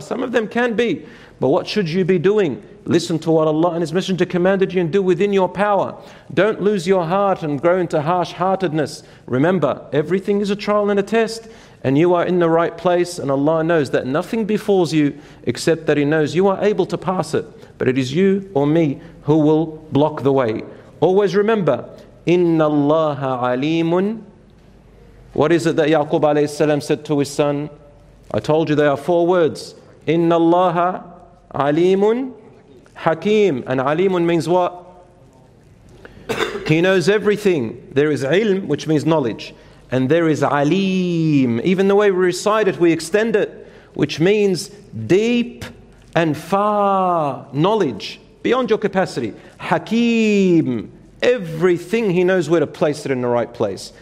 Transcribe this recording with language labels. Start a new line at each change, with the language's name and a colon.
English: Some of them can be. But what should you be doing? Listen to what Allah and His Messenger commanded you and do within your power. Don't lose your heart and grow into harsh-heartedness. Remember, everything is a trial and a test, and you are in the right place, and Allah knows that nothing befalls you except that He knows you are able to pass it. But it is you or me who will block the way. Always remember,
Arabic: إِنَّ اللَّهَ عَلِيمٌ.
English: What is it that Yaqub alayhi salam said to his son? I told you there are four words.
Arabic: إِنَّ اللَّهَ عَلِيمٌ Hakim.
English: And alimun means what? He knows everything. There is ilm, which means knowledge. And there is alim. Even the way we recite it, we extend it, which means deep and far knowledge, beyond your capacity. Hakim. Everything, He knows where to place it in the right place.